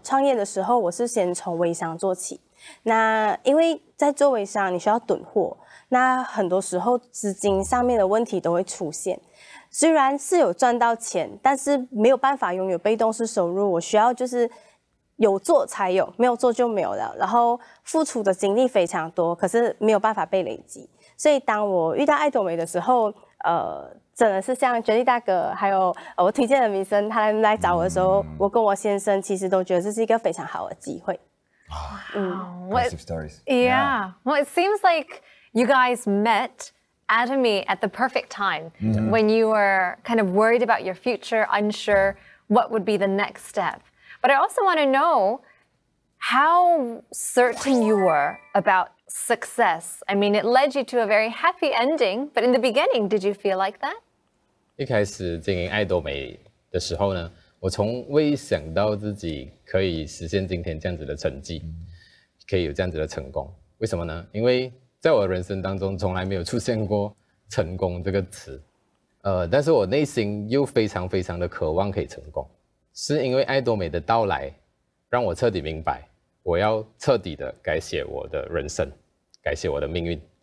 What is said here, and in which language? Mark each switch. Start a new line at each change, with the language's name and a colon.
Chinese: 创业的时候我是先从微商做起，那因为在做微商你需要囤货，那很多时候资金上面的问题都会出现，虽然是有赚到钱，但是没有办法拥有被动式收入，我需要就是有做才有，没有做就没有了，然后付出的精力非常多，可是没有办法被累积。所以当我遇到爱多美的时候，真的是像Jelly大哥还有我推荐的明生他来找我的时候，我跟我先生其实都觉得这是一个非常好的机会。
English: Well, it seems like you guys met Atomy at the perfect time when you were kind of worried about your future, unsure what would be the next step. But I also want to know how certain you were aboutsuccess. I mean, it led you to a very happy ending, but in the beginning, did you feel like that?
Chinese: 一开始经营爱多美的时候呢，我从未想到自己可以实现今天这样子的成绩，可以有这样子的成功。为什么呢？因为在我的人生当中从来没有出现过成功这个词，但是我内心又非常非常的渴望可以成功，是因为爱多美的到来让我彻底明白我要彻底的改写我的人生，改写我的命运。